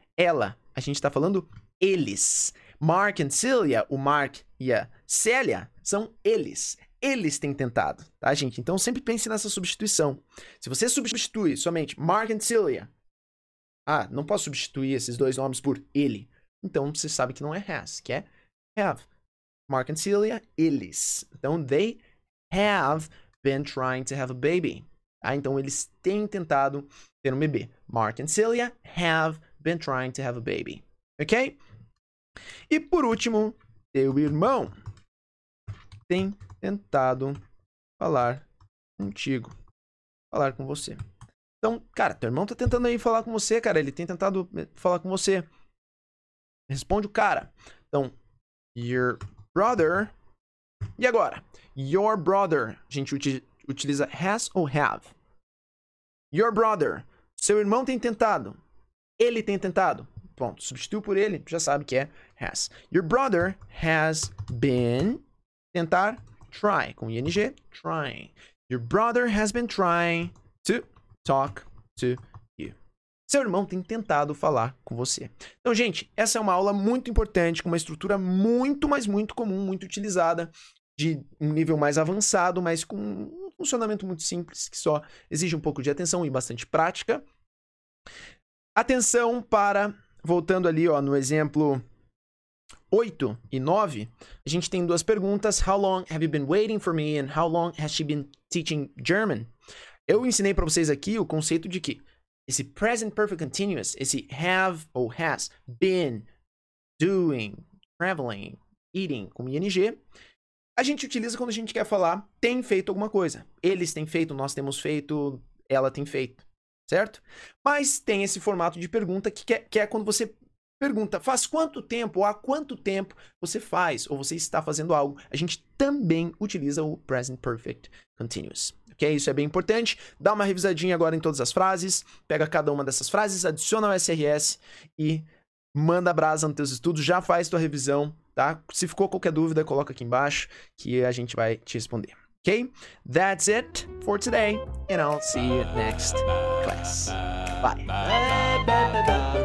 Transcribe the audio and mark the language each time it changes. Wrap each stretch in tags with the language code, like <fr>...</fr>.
<pt>Ela, a gente está falando eles. Mark and Celia, o Mark e a Celia, são eles. Eles têm tentado, tá, gente? Então sempre pense nessa substituição. Se você substitui somente Mark and Celia, ah, não posso substituir esses dois nomes por ele. Então você sabe que não é has, que é have. Mark and Celia, eles.</pt> <en>Então they have been trying to have a baby.</en> <pt>Ah, então eles têm tentado ter um bebê.</pt> <en>Mark and Celia have been trying to have a baby. Ok?</en> <pt>E por último, teu irmão tem tentado falar contigo. Falar com você. Então, cara, teu irmão tá tentando aí falar com você, cara. Ele tem tentado falar com você. Responde o cara. Então, your brother. E agora? Your brother. A gente utiliza has ou have? Your brother. Seu irmão tem tentado. Ele tem tentado. Pronto. Substituiu por ele. Já sabe que é has.</pt> <en>Your brother has been</en> <pt>tentar. Try. Com ing.</pt> <en>Trying. Your brother has been trying to talk to you.</en> <pt>Seu irmão tem tentado falar com você. Então, gente, essa é uma aula muito importante, com uma estrutura muito, mas muito comum, muito utilizada, de um nível mais avançado, mas com funcionamento muito simples, que só exige um pouco de atenção e bastante prática. Atenção para, voltando ali, ó, no exemplo 8 e 9, a gente tem duas perguntas.</pt> <en>How long have you been waiting for me and how long has she been teaching German?</en> <pt>Eu ensinei para vocês aqui o conceito de que esse present perfect continuous, esse have ou has been doing, traveling, eating com ing, a gente utiliza quando a gente quer falar tem feito alguma coisa. Eles têm feito, nós temos feito, ela tem feito, certo? Mas tem esse formato de pergunta que é quando você pergunta faz quanto tempo ou há quanto tempo você faz ou você está fazendo algo. A gente também utiliza o present perfect continuous. Que isso é bem importante. Dá uma revisadinha agora em todas as frases, pega cada uma dessas frases, adiciona o SRS e manda brasa nos teus estudos, já faz tua revisão, tá? Se ficou qualquer dúvida, coloca aqui embaixo que a gente vai te responder. Ok?</pt> <en>That's it for today, and I'll see you next class. Bye.</en>